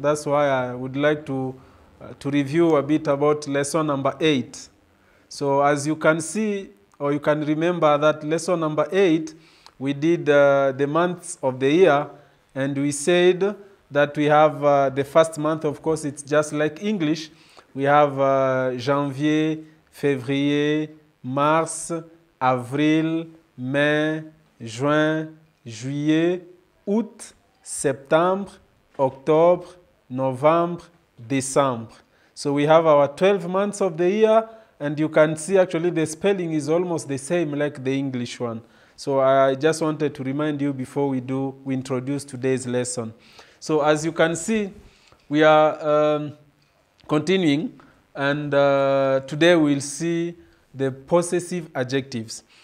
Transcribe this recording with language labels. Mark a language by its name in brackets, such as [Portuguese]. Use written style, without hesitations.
[English] That's why I would like to review a bit about lesson number 8. So as you can see, or you can remember that lesson number 8, we did the months of the year, and we said that we have the first month, of course, it's just like English. We have [French] janvier, février, mars, avril, mai, juin, juillet, août, septembre, octobre, novembre, décembre. [English] So we have our 12 months of the year, and you can see actually the spelling is almost the same like the English one. So I just wanted to remind you before we introduce today's lesson. So as you can see, we are continuing, and today we'll see the possessive adjectives.